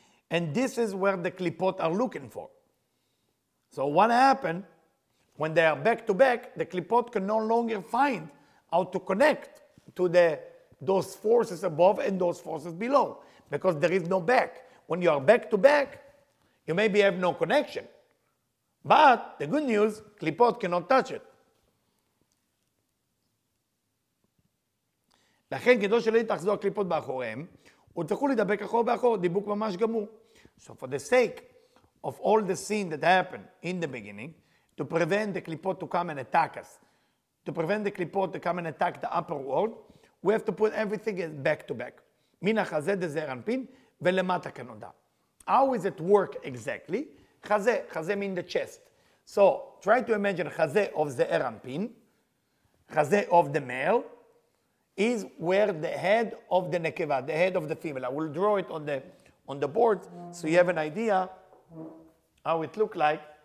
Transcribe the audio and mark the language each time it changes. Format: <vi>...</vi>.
<en>And this is where the Klipot are looking for. So what happened when they are back to back, the Klipot can no longer find how to connect to those forces above and those forces below. Because there is no back. When you are back to back, you maybe have no connection. But the good news, Klipot cannot touch it.</en> <he>לכן גדול שלא יתאחזו הקליפות באחוריהם, הוא צריכו לדבק אחור באחור, דיבוק ממש גמור.</he> <en>So for the sake of all the sin that happened in the beginning, to prevent the klipot to come and attack us, to prevent the klipot to come and attack the upper world, we have to put everything back to back.</en> <he>מן החזה דזר אנפין, ולמטה כנודע.</he> <en>How is it work exactly? חזה mean the chest. So try to imagine חזה of the אנפין, חזה of the male, is where the head of the nekeva, the head of the female. I will draw it on the board so you have an idea how it looks like.</en>